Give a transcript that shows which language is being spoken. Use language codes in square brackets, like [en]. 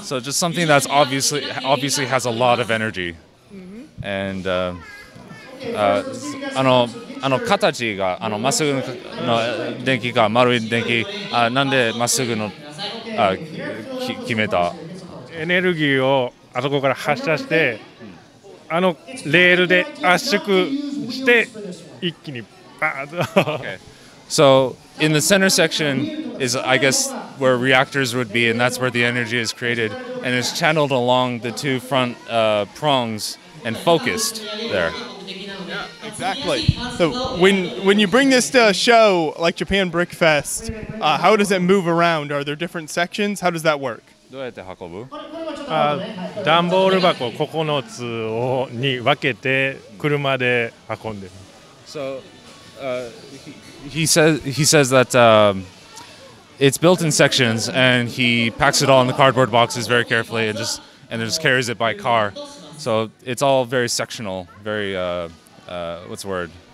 [en] So just something that's obviously has a lot of energy. Mm-hmm. [ja] And あの形が、あのまっすぐの電気が丸い電気、なんでまっすぐの決めた。エネルギーをあそこから発射して、あのレールで圧縮して一気にバーッと。 [en] So in the center section is, I guess, where reactors would be, and that's where the energy is created, and it's channeled along the two front prongs and focused there. Yeah, exactly. So when you bring this to a show like Japan Brick Fest, how does it move around? Are there different sections? How does that work? [ja] どうやって運ぶ？ダンボール箱9つをに分けて車で運んでる。 [en] So he says that it's built in sections, and he packs it all in the cardboard boxes very carefully, and just carries it by car. So it's all very sectional, very what's the word?